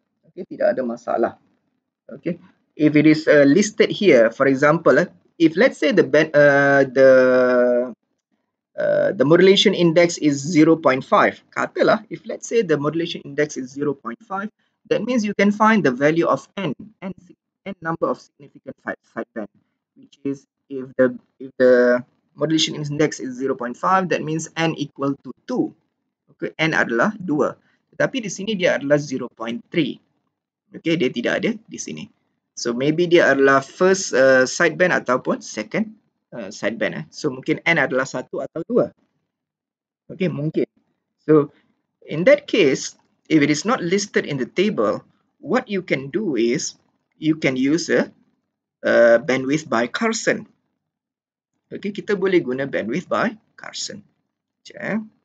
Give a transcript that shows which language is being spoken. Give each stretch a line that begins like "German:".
Malay: Okay, tidak ada masalah.
English: Okay, if it is listed here, for example, if let's say the modulation index is 0.5,
Malay: katalah,
English: if let's say the modulation index is 0.5, that means you can find the value of n number of significant sideband, which is if the modulation index is 0.5, that means n equal to 2.
Malay: Okay, n adalah 2. Tetapi di sini dia adalah 0.3. Okay, dia tidak ada di sini.
English: So maybe
Malay: dia adalah
English: first sideband
Malay: ataupun
English: second sideband. Eh.
Malay: So mungkin n adalah 1 atau 2. Okay, mungkin.
English: So in that case, if it is not listed in the table, what you can do is you can use a bandwidth by Carson.
Malay: Okay, kita boleh guna bandwidth by Carson. Okay.